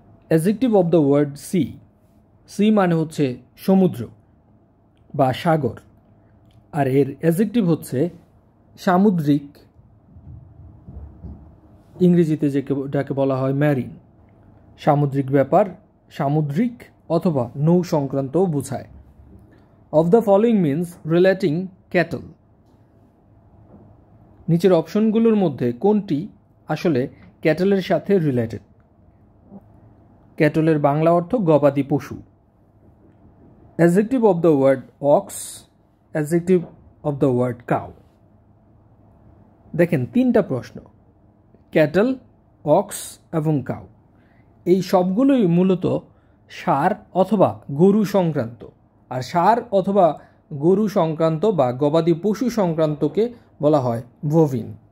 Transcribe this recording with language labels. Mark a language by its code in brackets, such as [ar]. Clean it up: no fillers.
[en] adjective of the word sea, [bn] C মানে হচ্ছে সমুদ্র বা সাগর, আর এর অ্যাডজেক্টিভ হচ্ছে সামুদ্রিক, ইংরেজিতে যেটাকে বলা হয় ম্যারিন, সামুদ্রিক ব্যাপার, সামুদ্রিক অথবা নৌ সংক্রান্ত বোঝায়। [en] of the following means relating cattle, [bn] নিচের অপশনগুলোর মধ্যে কোনটি আসলে ক্যাটলের সাথে রিলেটেড? ক্যাটলের বাংলা অর্থ গবাদি পশু। [en] Adjective of the word ox, adjective of the word cow. [bn] দেখেন তিনটা প্রশ্ন, ক্যাটল, অক্স এবং কাউ, এই সবগুলোই মূলত সার অথবা গরু সংক্রান্ত, আর সার অথবা গরু সংক্রান্ত বা গবাদি পশু সংক্রান্তকে বলা হয় বোভিন।